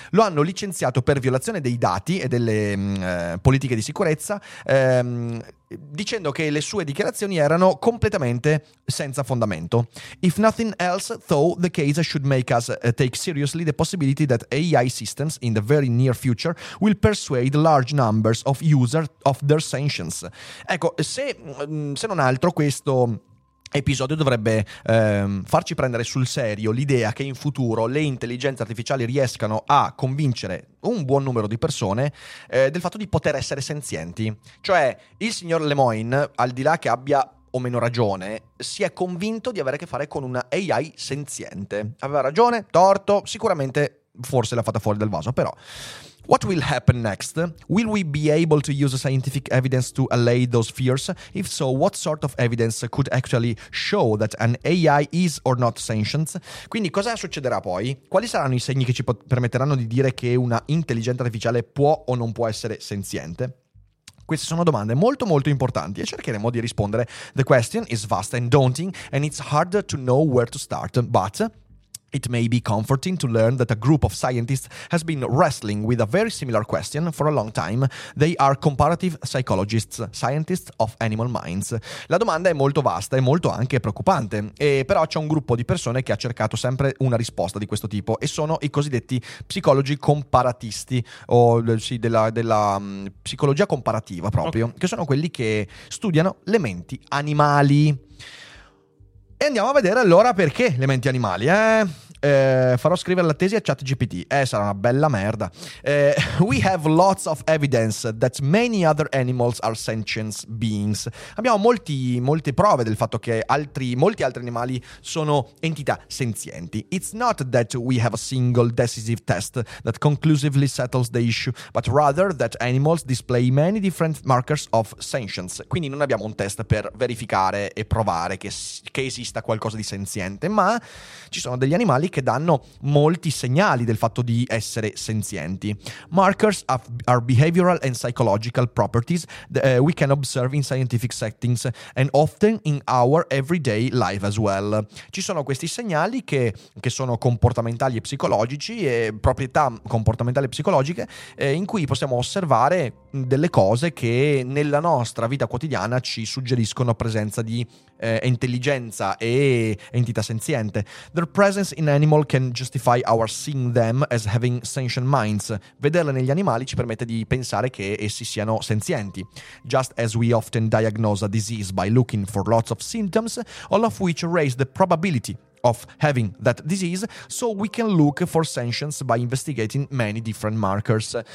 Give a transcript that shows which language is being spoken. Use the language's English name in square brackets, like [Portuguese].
[Italian] Lo hanno licenziato per violazione dei dati e delle politiche di sicurezza, dicendo che le sue dichiarazioni erano completamente senza fondamento. [English] If nothing else, though, the case should make us take seriously the possibility that AI systems in the very near future will persuade large numbers of users of their sentience. [Italian] Ecco, se non altro, questo episodio dovrebbe farci prendere sul serio l'idea che in futuro le intelligenze artificiali riescano a convincere un buon numero di persone del fatto di poter essere senzienti. Cioè, il signor Lemoine, al di là che abbia o meno ragione, si è convinto di avere a che fare con una AI senziente. Aveva ragione, torto, sicuramente forse l'ha fatta fuori dal vaso, però. [English] What will happen next? Will we be able to use scientific evidence to allay those fears? If so, what sort of evidence could actually show that an AI is or not sentient? [Italian] Quindi cosa succederà poi? Quali saranno i segni che ci permetteranno di dire che una intelligenza artificiale può o non può essere senziente? Queste sono domande molto molto importanti e cercheremo di rispondere. [English] The question is vast and daunting and it's hard to know where to start, but it may be comforting to learn that a group of scientists has been wrestling with a very similar question for a long time. They are comparative psychologists, scientists of animal minds. [Italian] La domanda è molto vasta e molto anche preoccupante, però c'è un gruppo di persone che ha cercato sempre una risposta di questo tipo e sono i cosiddetti psicologi comparatisti, o sì, della psicologia comparativa proprio, okay, che sono quelli che studiano le menti animali. E andiamo a vedere allora perché le menti animali, eh? Farò scrivere la tesi a ChatGPT. Sarà una bella merda. [English] We have lots of evidence that many other animals are sentient beings. [Italian] Abbiamo molte prove del fatto che molti altri animali sono entità senzienti. [English] It's not that we have a single decisive test that conclusively settles the issue, but rather that animals display many different markers of sentience. [Italian] Quindi non abbiamo un test per verificare e provare che esista qualcosa di senziente, ma ci sono degli animali che danno molti segnali del fatto di essere senzienti. [English] Markers are behavioral and psychological properties that we can observe in scientific settings and often in our everyday life as well. [Italian] Ci sono questi segnali che sono comportamentali e psicologici e proprietà comportamentali e psicologiche in cui possiamo osservare delle cose che nella nostra vita quotidiana ci suggeriscono presenza di intelligenza e entità senziente. [English] Their presence in animal can justify our seeing them as having sentient minds. [Italian] Vederle negli animali ci permette di pensare che essi siano senzienti. [English] Just as we often diagnose a disease by looking for lots of symptoms, all of which raise the probability of having that disease, so we can look for sentience by investigating many different markers.